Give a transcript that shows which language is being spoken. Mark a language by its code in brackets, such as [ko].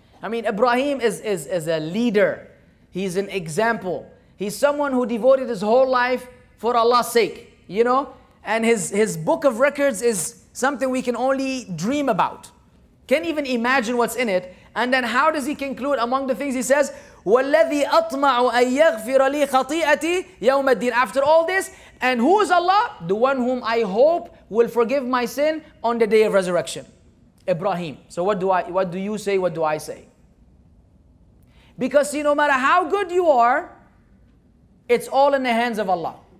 [en] I mean, Ibrahim is a leader. He's an example. He's someone who devoted his whole life for Allah's sake, you know? And his book of records is something we can only dream about. Can't even imagine what's in it. And then how does he conclude among the things he says? [ar] وَالَّذِي أَطْمَعُ أَن يَغْفِرَ لِي خَطِيئَتِي يَوْمَ الدِّينِ. [en] After all this, and who is Allah? The one whom I hope will forgive my sin on the day of resurrection. Ibrahim. So what do you say? What do I say? Because see, no matter how good you are, it's all in the hands of Allah.